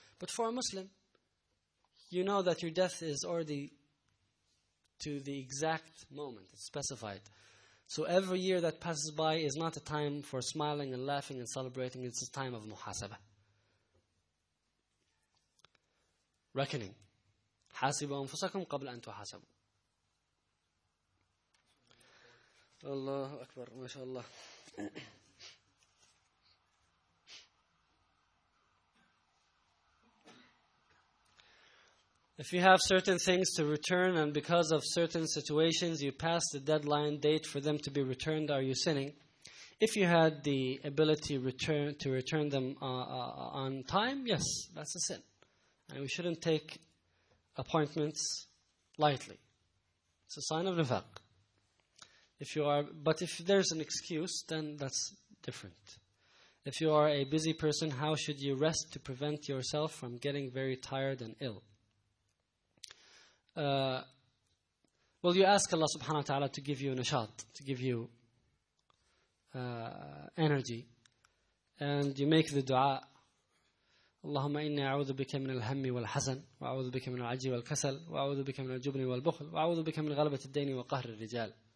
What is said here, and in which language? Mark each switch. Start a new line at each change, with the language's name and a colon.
English: But for a Muslim, you know that your death is already to the exact moment, it's specified. So every year that passes by is not a time for smiling and laughing and celebrating, it's a time of muhasaba. Reckoning.
Arabic: حاسبوا أنفسكم قبل أن تحاسبوا. الله أكبر ما شاء الله.
English: If you have certain things to return and because of certain situations you pass the deadline date for them to be returned, are you sinning? If you had the ability to return them on time, yes, that's a sin. And we shouldn't take appointments lightly. It's a sign of nifaq. But if there's an excuse, then that's different. If you are a busy person, how should you rest to prevent yourself from getting very tired and ill? Well, you ask Allah subhanahu wa ta'ala to give you nishat, to give you energy. And you make the dua.
Arabic: اللهم إني أعوذ بك من الهم والحزن وأعوذ بك من العجي والكسل وأعوذ بك من الجبن والبخل وأعوذ بك من غلبة الدين وقهر الرجال.